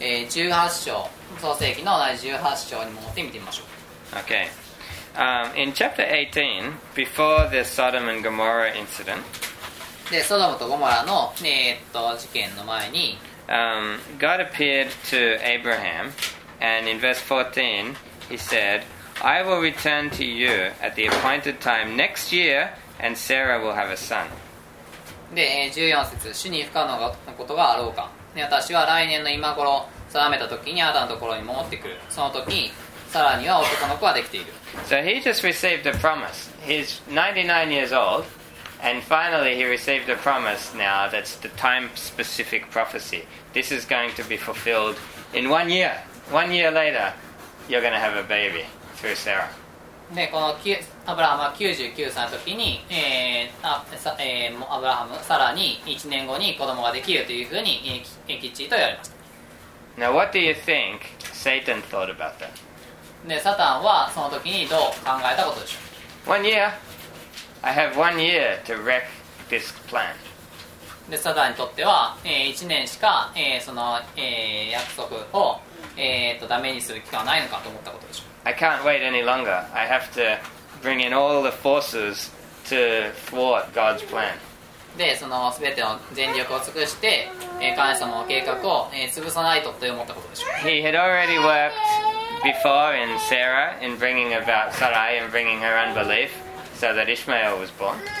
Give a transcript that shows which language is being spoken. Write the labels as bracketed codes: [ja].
[ja] で、18章、創世記の第18章に戻ってみてみましょう。 [en] Okay. In chapter 18, before the Sodom and Gomorrah incident, God appeared to Abraham, and in verse 14, he said, I will return to you at the appointed time next year, and Sarah will have a son. [ja] で、14節、死に不可能なことがあろうか。で、私は来年の今頃、定めた時にあなたのところに戻ってくる。その時、さらには男の子はできている。 [en] So he just received a promise. He's 99 years old, and finally he received a promise now that's the time-specific prophecy. This is going to be fulfilled in 1 year. 1 year later, you're going to have a baby through Sarah. [ja] で、このアブラハムは99歳の時に、アブラハム、さらに1年後に子供ができるというふうに、きっちりと言われました。 [en] Now, what do you think Satan thought about that? [ja] で、サタンはその時にどう考えたことでしょう。 [en] One year. I have 1 year to wreck this plan. [ja] で、サタンにとっては、1年しか、その、約束を、ダメにする期間はないのかと思ったことでしょう。 [en] I can't wait any longer. I have to bring in all the forces to thwart God's plan. [ja] で、その全ての全力を尽くして、神様の計画を、潰さないとと思ったことでしょう。 [en] He had already worked before in Sarah in bringing about Sarai and bringing her unbelief so that Ishmael was born.